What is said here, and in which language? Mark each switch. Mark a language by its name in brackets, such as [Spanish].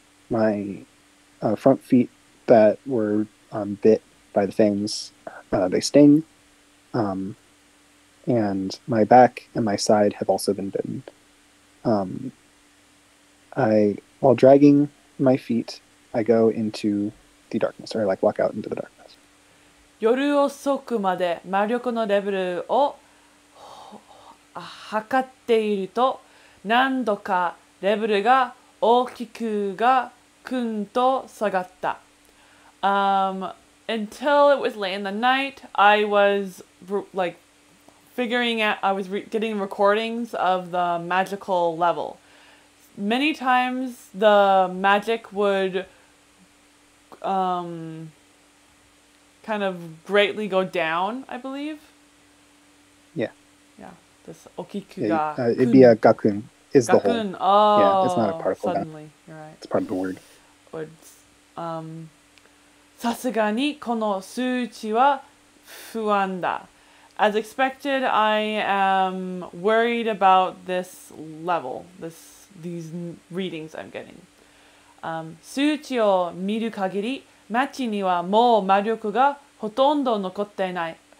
[English] My front feet that were bit by the fangs, they sting. And my back and my side have also been bitten. While dragging my feet, I go into the darkness, or I like walk out into the darkness. [Japanese] 夜遅くまで魔力のレベルを測っていると、何度かレベルが大きくがくんと下がった。 [English] Until it was late in the night, I was like figuring out, I was getting recordings of the magical level. Many times the magic would kind of greatly go down, I believe. Yeah. Yeah. This [Japanese] okiku ga. [English] It'd be a gakun. Is gakun. The whole. Oh, yeah, it's not a particle. Suddenly, gun. You're right. It's part of the word. [Japanese] さすがにこの数値は不安だ。 [English] As expected, I am worried about this level, these readings I'm getting. [Japanese] 数値を見る限り、街にはもう魔力がほとんど残っていない。